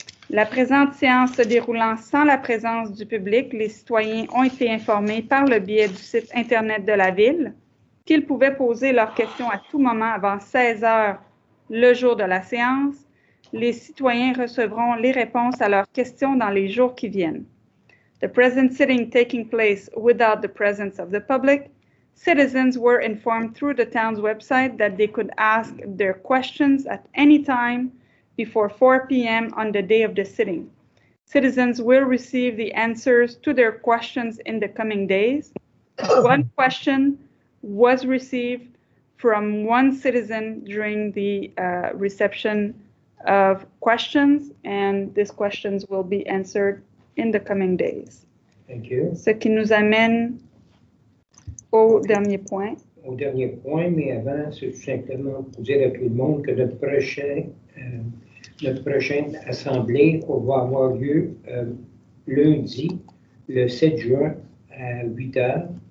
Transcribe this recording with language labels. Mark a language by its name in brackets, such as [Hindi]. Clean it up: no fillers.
[French] La présente séance se déroulant sans la présence du public, les citoyens ont été informés par le biais du site Internet de la Ville qu'ils pouvaient poser leurs questions à tout moment avant 16 heures le jour de la séance. Les citoyens recevront les réponses à leurs questions dans les jours qui viennent. [English] The present sitting taking place without the presence of the public, citizens were informed through the town's website that they could ask their questions at any time before 4 p.m. on the day of the sitting. Citizens will receive the answers to their questions in the coming days. One question was received from one citizen during the reception of questions, and these questions will be answered in the coming days. Thank you. [French] Ce qui nous amène au dernier point. Au dernier point, mais avant, c'est tout simplement pour dire à tout le monde que notre prochaine assemblée va avoir lieu lundi, le 7 juin, à 8 heures.